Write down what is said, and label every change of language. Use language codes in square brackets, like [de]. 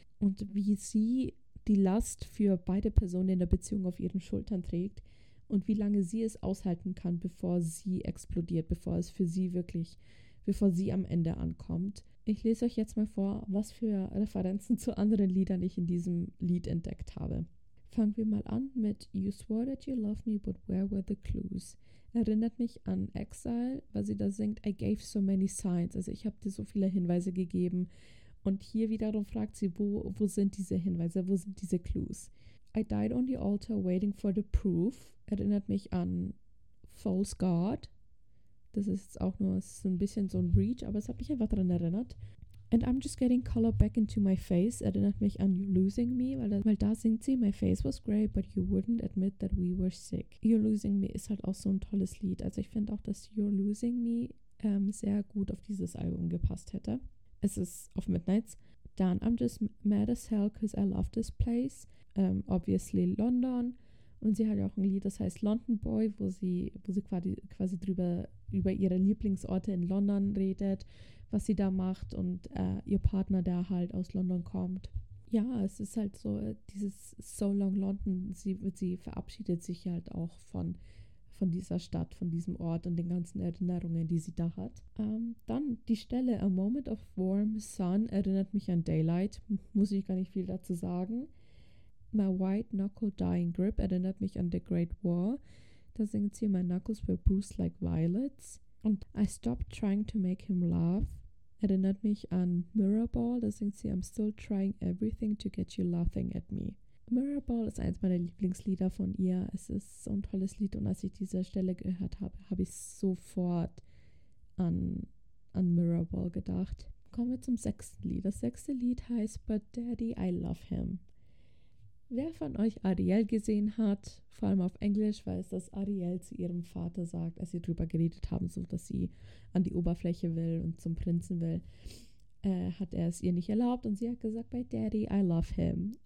[de] Und wie sie die Last für beide Personen in der Beziehung auf ihren Schultern trägt und wie lange sie es aushalten kann, bevor sie explodiert, bevor sie am Ende ankommt. Ich lese euch jetzt mal vor, was für Referenzen zu anderen Liedern ich in diesem Lied entdeckt habe. Fangen wir mal an mit [en] You swore that you loved me, but where were the clues? [de] Erinnert mich an Exile, weil sie da singt, [en] I gave so many signs. [de] Also ich habe dir so viele Hinweise gegeben. Und hier wiederum fragt sie, wo sind diese Hinweise, wo sind diese Clues? [en] I died on the altar waiting for the proof. [de] Erinnert mich an False God. Das ist jetzt auch nur so ein bisschen so ein Reach, aber es hat mich einfach daran erinnert. [en] And I'm just getting color back into my face. [de] Erinnert mich an [en] You're losing me. [de] Weil da singt sie, [en] my face was gray, but you wouldn't admit that we were sick. [de] You're losing me ist halt auch so ein tolles Lied. Also ich finde auch, dass You're losing me sehr gut auf dieses Album gepasst hätte. Es ist auf Midnights. [en] Dann I'm just mad as hell because I love this place. Obviously London. [de] Und sie hat ja auch ein Lied, das heißt London Boy, wo sie quasi drüber über ihre Lieblingsorte in London redet, was sie da macht und ihr Partner, der halt aus London kommt. Ja, es ist halt so dieses So Long London, sie verabschiedet sich halt auch von dieser Stadt, von diesem Ort und den ganzen Erinnerungen, die sie da hat. Dann die Stelle A Moment of Warm Sun erinnert mich an Daylight, muss ich gar nicht viel dazu sagen. My White Knuckle Dying Grip erinnert mich an The Great War. Da singt sie, [en] my knuckles were bruised like violets. [de] Und [en] I stopped trying to make him laugh. [de] Erinnert mich an Mirrorball. Da singt sie, [en] I'm still trying everything to get you laughing at me. [de] Mirrorball ist eins meiner Lieblingslieder von ihr. Es ist so ein tolles Lied. Und als ich diese Stelle gehört habe, habe ich sofort an Mirrorball gedacht. Kommen wir zum sechsten Lied. Das sechste Lied heißt, But Daddy, I Love Him. Wer von euch Ariel gesehen hat, vor allem auf Englisch, weiß, dass Ariel zu ihrem Vater sagt, als sie drüber geredet haben, so dass sie an die Oberfläche will und zum Prinzen will, hat er es ihr nicht erlaubt und sie hat gesagt, bei Daddy, [en] I love him.